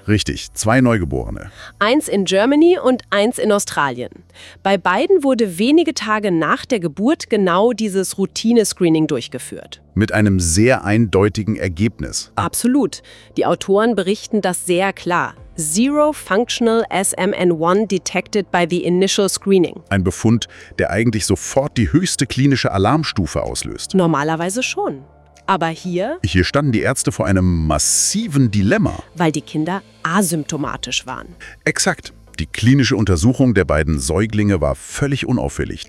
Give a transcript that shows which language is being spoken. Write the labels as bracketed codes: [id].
[de] Richtig, zwei Neugeborene. Eins in Germany und eins in Australien. Bei beiden wurde wenige Tage nach der Geburt genau dieses Routine-Screening durchgeführt. Mit einem sehr eindeutigen Ergebnis. Absolut. Die Autoren berichten das sehr klar. [en] Zero functional SMN1 detected by the initial screening. [de] Ein Befund, der eigentlich sofort die höchste klinische Alarmstufe auslöst. Normalerweise schon. Aber hier? Hier standen die Ärzte vor einem massiven Dilemma. Weil die Kinder asymptomatisch waren. Exakt. Die klinische Untersuchung der beiden Säuglinge war völlig unauffällig.